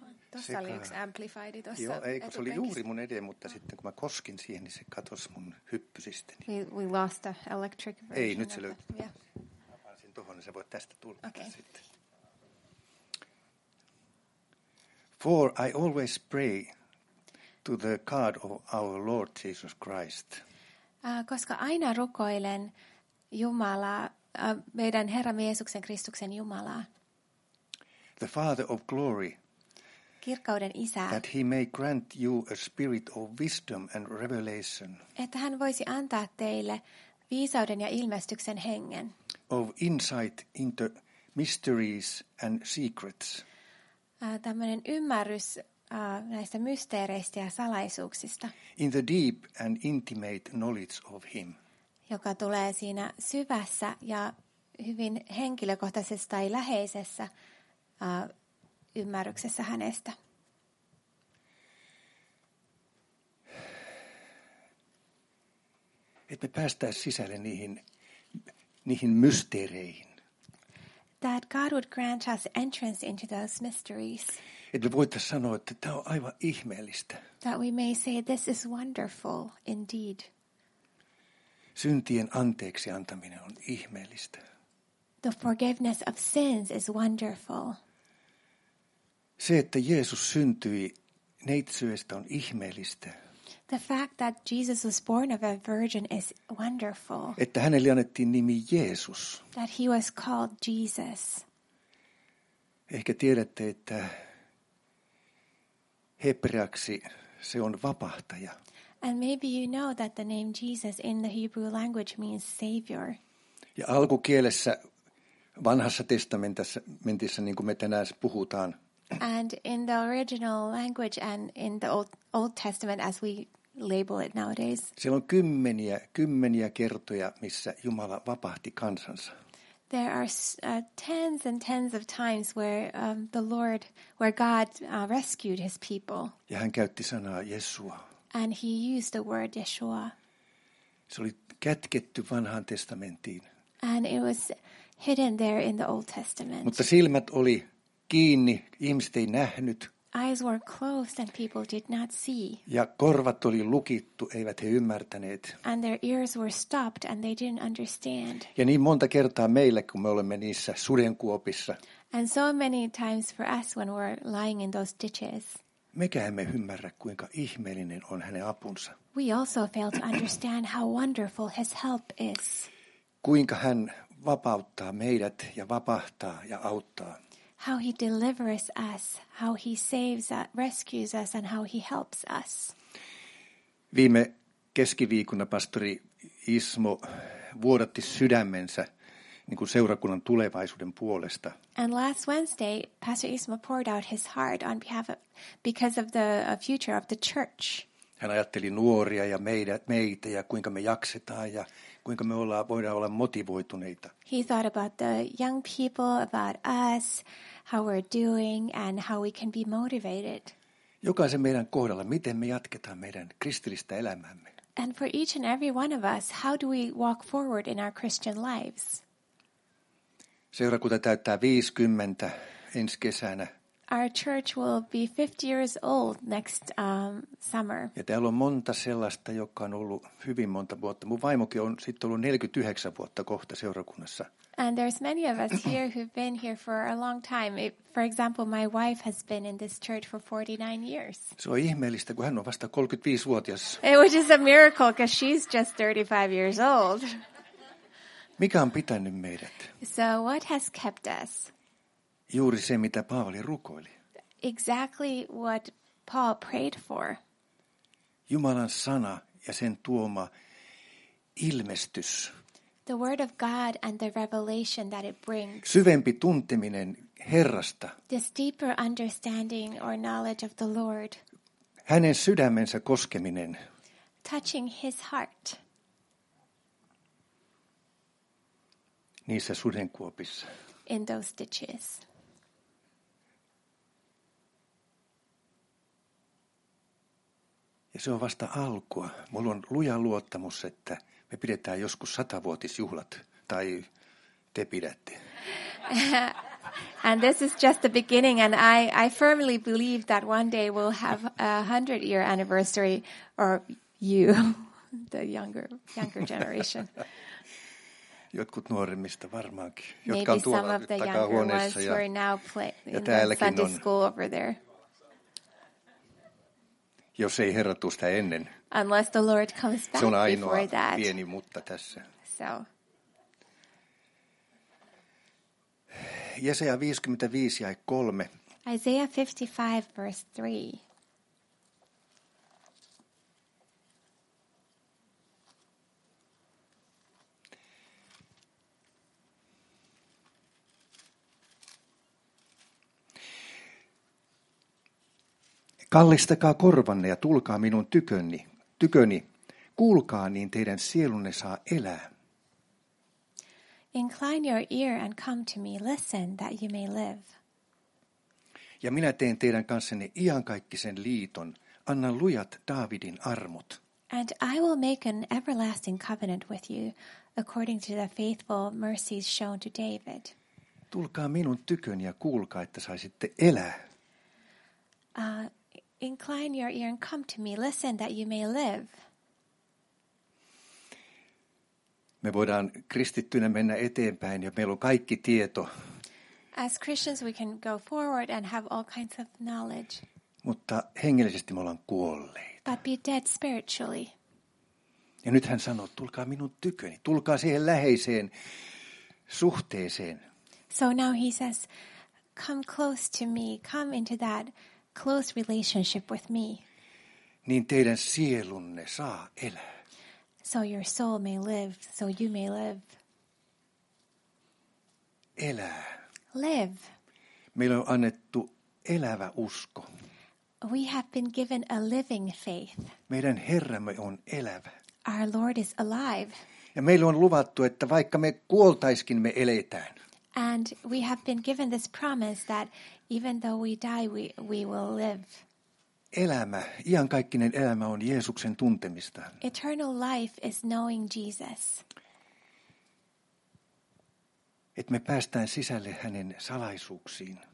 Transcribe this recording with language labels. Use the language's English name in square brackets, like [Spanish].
[Finnish] Tuossa oli yksi Amplifiedi tuossa. Joo, ei, se oli juuri mun eteen, mutta sitten kun mä koskin siihen, niin se katosi mun hyppysisteni. [English] We lost the electric version. [Finnish] Ei, nyt se löytyy. [English] Yeah. [Finnish] Avaisin tuohon, niin sä voit tästä tulla. Okay. Sitten. [English] For I always pray to the God of our Lord Jesus Christ. [Finnish] Koska aina rukoilen Jumalaa, meidän Herramme Jeesuksen Kristuksen Jumalaa. [English] The Father of glory, [Finnish] kirkkauden isä, [English] that he may grant you a spirit of wisdom and revelation, [Finnish] että hän voisi antaa teille viisauden ja ilmestyksen hengen, [English] of insight into mysteries and secrets, [Finnish] tämmöinen ymmärrys näistä mysteereistä ja salaisuuksista, [English] in the deep and intimate knowledge of him, [Finnish] joka tulee siinä syvässä ja hyvin henkilökohtaisessa tai läheisessä ymmärryksessä hänestä. Että me päästäisiin sisälle niihin mysteereihin. [English] That God would grant us entrance into those mysteries. [Finnish] Että me voitaisiin sanoa, että tämä on aivan ihmeellistä. [English] That we may say this is wonderful indeed. [Finnish] Syntien anteeksi antaminen on ihmeellistä. [English] The forgiveness of sins is wonderful. [Finnish] Se, että Jeesus syntyi neitsyestä, on ihmeellistä. [English] The fact that Jesus was born of a virgin is wonderful. [Finnish] Että hänelle annettiin nimi Jeesus. [English] That he was called Jesus. [Finnish] Ehkä tiedätte, että hebreaksi se on vapahtaja. [English] And maybe you know that the name Jesus in the Hebrew language means savior. [Finnish] Ja alkukielessä vanhassa testamentissa, niin kuin me tänään puhutaan. [English] And in the original language and in the Old Testament as we label it nowadays. [Finnish] Siellä on kymmeniä kertoja, missä Jumala vapahti kansansa. [English] There are tens and tens of times where God rescued his people. [Finnish] Ja hän käytti sanaa Yeshua. [English] And he used the word Yeshua. [Finnish] Se oli kätketty vanhaan testamenttiin. [English] And it was hidden there in the Old Testament. [Finnish] Mutta silmät oli kiinni, ihmiset ei nähnyt. [English] Eyes were closed and people did not see. [Finnish] Ja korvat oli lukittu, eivät he ymmärtäneet. [English] And their ears were stopped and they didn't understand. [Finnish] Ja niin monta kertaa meille, kun me olemme niissä sudenkuopissa. [English] And so many times for us when we're lying in those ditches. [Finnish] Mekä emme ymmärrä, kuinka ihmeellinen on hänen apunsa. [English] We also fail to understand how wonderful his help is. [Finnish] Kuinka hän vapauttaa meidät ja vapahtaa ja auttaa. [English] How he delivers us, how he saves us, rescues us, and how he helps us. [Finnish] Viime keskiviikkona pastori Ismo vuodatti sydämensä niin kuin seurakunnan tulevaisuuden puolesta. [English] And last Wednesday, Pastor Ismo poured out his heart on behalf of, because of the future of the church. [Finnish] Hän ajatteli nuoria ja meitä ja kuinka me jaksetaan ja kuinka me voidaan olla motivoituneita. [English] He thought about the young people, about us, how we're doing and how we can be motivated. [Finnish] Jokaisen meidän kohdalla, miten me jatketaan meidän kristillistä elämäämme. [English] And for each and every one of us, how do we walk forward in our Christian lives? [Finnish] Seurakunta täyttää 50 ensi kesänä. [English] Our church will be 50 years old next summer. [Finnish] Ja täällä on monta sellaista, joka on ollut hyvin monta vuotta. Mun vaimokin on sitten ollut 49 vuotta kohta seurakunnassa. [English] And there's many of us here who've been here for a long time. For example, my wife has been in this church for 49 years. [Finnish] Se on ihmeellistä, kun hän on vasta 35-vuotias. [English] Which is a miracle, because she's just 35 years old. [Finnish] Mikä on pitänyt meidät? [English] So what has kept us? [Finnish] Juuri se, mitä Paavali rukoili. [English] Exactly what Paul prayed for. [Finnish] Jumalan sana ja sen tuoma ilmestys. [English] The word of God and the revelation that it brings. [Finnish] Syvempi tunteminen Herrasta. [English] This deeper understanding or knowledge of the Lord. [Finnish] Hänen sydämensä koskeminen. [English] Touching his heart. [Finnish] Niissä sudenkuopissa. [English] In those ditches. [Finnish] Ja se on vasta alkua. Mulla on luja luottamus, että me pidetään joskus 100-vuotisjuhlat, tai te pidätte. [English] And this is just the beginning, and I firmly believe that one day we'll have a 100-year anniversary, or you, the younger generation. [Finnish] Jotkut nuoremmista varmaankin, jotka on tuolla takahuoneessa ja täälläkin on. Jos ei Herra tule sitä ennen. [English] Unless the Lord comes back before that. [Finnish] Se on ainoa pieni mutta tässä. [English] So. [Finnish] Jesaja 55 jae 3. [English] Isaiah 55 verse 3. [Finnish] Kallistakaa korvanne ja tulkaa minun tyköni. Kuulkaa, niin teidän sielunne saa elää. [English] Incline your ear and come to me, listen that you may live. [Finnish] Ja minä teen teidän kanssanne iankaikkisen liiton, annan lujat Daavidin armut. [English] And I will make an everlasting covenant with you according to the faithful mercies shown to David. [Finnish] Tulkaa minun tyköni ja kuulkaa, että saisitte elää. [English] Incline your ear and come to me, listen that you may live. [Finnish] Me voidaan kristittynä mennä eteenpäin ja meillä on kaikki tieto. [English] As Christians we can go forward and have all kinds of knowledge. [Finnish] Mutta hengellisesti me ollaan kuolleita. [English] But be dead spiritually. [Finnish] Ja nyt hän sanoo, tulkaa minun tyköni, tulkaa siihen läheiseen suhteeseen. [English] So now he says, come close to me, come into that close relationship with me. [Finnish] Niin teidän sielunne saa elää. [English] So your soul may live, so you may live. [Finnish] elää. [English] Live. [Finnish] Meillä on annettu elävä usko. [English] We have been given a living faith. [Finnish] Meidän Herramme on elävä. [English] Our Lord is alive. [Finnish] Ja meille on luvattu, että vaikka me kuoltaiskin, me eletään. [English] And we have been given this promise that even though we die, we will live. [Finnish] Elämä, iankaikkinen elämä on Jeesuksen tuntemista. [English] Eternal life is knowing Jesus. [Finnish] Että me päästään sisälle hänen salaisuuksiin.